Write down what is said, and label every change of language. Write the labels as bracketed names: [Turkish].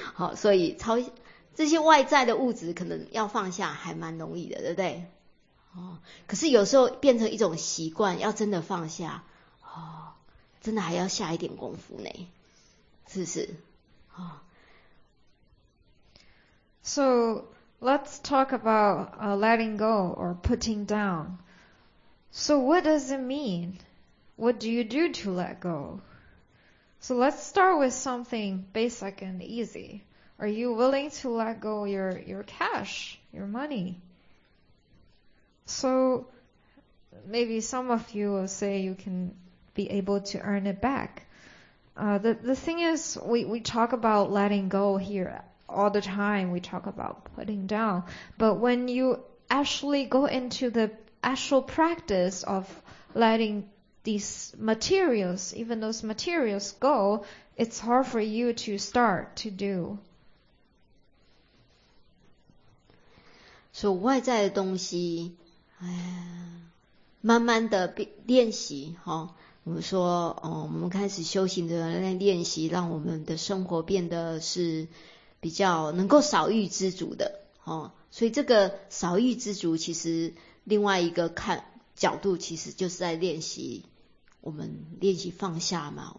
[Chinese] 好，所以这些外在的物质可能要放下还蛮容易的，对不对？哦，可是有时候变成一种习惯，要真的放下，哦，真的还要下一点功夫呢，是不是？哦。 [English] So let's talk about letting go or putting down. So what does it mean? What do you do to let go? So let's start with something basic and easy. Are you willing to let go your cash, your money? So maybe some of you will say you can be able to earn it back. The thing is, we talk about letting go here all the time. We talk about putting down. But when you actually go into the actual practice of letting these materials, even those materials, go, it's hard for you to start to do. [Chinese] So 外在的东西，慢慢的练习，哦，我们说，哦，我们开始修行的练习，让我们的生活变得是比较能够少欲知足的，哦，所以这个少欲知足其实另外一个看角度，其实就是在练习，我们练习放下嘛。